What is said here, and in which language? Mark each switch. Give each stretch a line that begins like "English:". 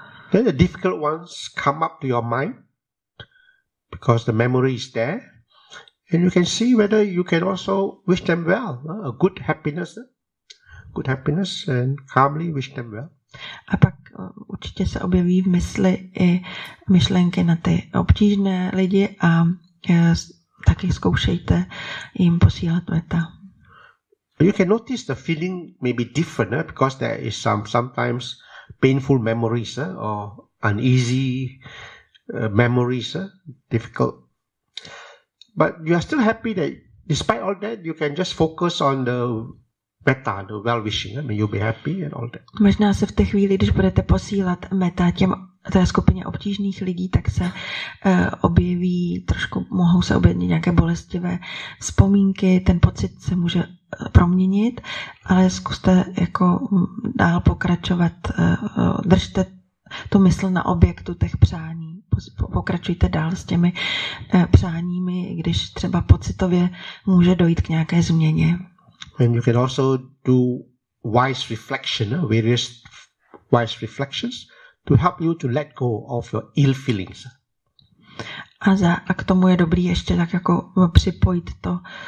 English: Then the difficult ones come up to your mind because the memory is there, and you can see whether you can also wish them well, a good happiness, and calmly wish them well.
Czech: A pak určitě se objeví v mysli i myšlenky na ty obtížné lidi a taky zkoušejte jim posílat meta.
English: You can notice the feeling may be different, because there is sometimes painful memories or uneasy memories, difficult. But you are still happy that despite all that, you can just focus on the metta, the well-wishing. May you be happy and all that.
Czech: Možná se v té chvíli, když budete posílat metta té skupině obtížných lidí, tak se objeví, trošku mohou se objevit nějaké bolestivé vzpomínky, ten pocit se může proměnit, ale zkuste jako dál pokračovat, držte tu mysl na objektu těch přání. Pokračujte dál s těmi přáními, když třeba pocitově může dojít k nějaké změně.
English: And you can also do wise reflection, various wise reflections to help you to let go of your ill feelings.
Czech: A k tomu je dobrý ještě tak jako připojit to